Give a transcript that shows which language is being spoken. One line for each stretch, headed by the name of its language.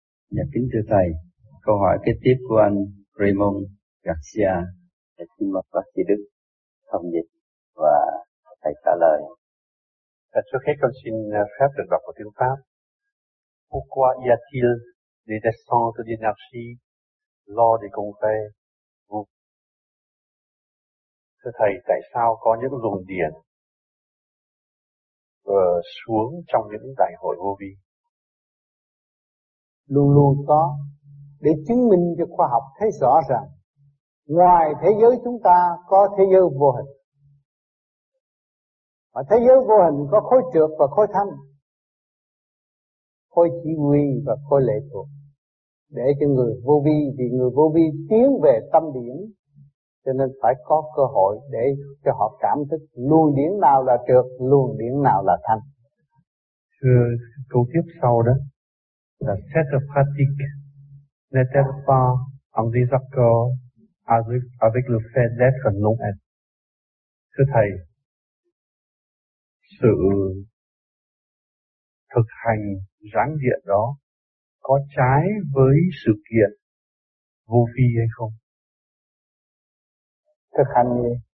Vietnamese: Dạ, kính thưa Thầy, câu hỏi kế tiếp của anh Raymond Garcia. Dạ, xin mời bác sĩ Đức thông dịch và Thầy trả lời. Dạ, trước hết con xin phép được đọc một tiếng Pháp.
French: Pourquoi y a-t-il des descentes d'énergie lors des congrès?
Vietnamese: Thưa Thầy, tại sao có những luồng điện xuống trong những đại hội vô vi? Luôn luôn có, để chứng minh cho khoa học thấy rõ rằng ngoài thế giới chúng ta có thế giới vô hình. Mà thế giới vô hình có khối trược và khối thanh, khối chỉ huy và khối lệ thuộc. để cho người vô vi, vì người vô vi tiến về tâm điển, cho nên phải có cơ hội để cho họ cảm thức luồng điển nào là trượt, luồng điển nào là thanh. Thưa câu tiếp sau đó là
French: cette pratique n'est-elle pas en désaccord avec le fait d'être non-être?
Vietnamese: Thưa Thầy, sự thực hành ráng diện đó có trái với sự kiện vô vi hay không? Thực hành gì?